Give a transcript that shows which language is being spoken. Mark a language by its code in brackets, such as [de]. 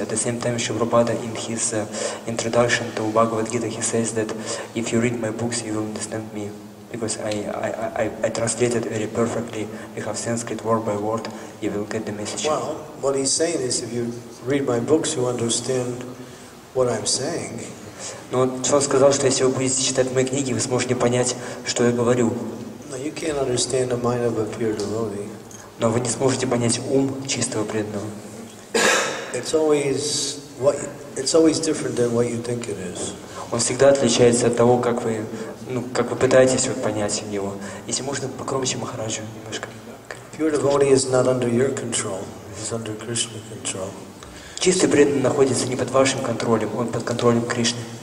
[en] At the same time, Shri Prabhupada in his introduction to Bhagavad Gita, he says that if you read my books, you will understand me. Because I translated very perfectly, we have Sanskrit word by word, you will get the message. Well, what he's saying is if you read my books, you understand what I'm saying. [ru] Но он сказал, что если вы будете читать мои книги, вы сможете понять, что я говорю. [en] No, you can't understand the mind of a pure devotee. [ru] Но вы не сможете понять ум чистого преданного. [en] It's always different than what you think it is. [ru] Он всегда отличается от того, как вы, ну, как вы пытаетесь вот понять его. Если можно покромче Махараджу немножко. [en] Pure devotee is not under your control. It's under Krishna's control. [ru] Чистый преданный находится не под вашим контролем, он под контролем Кришны.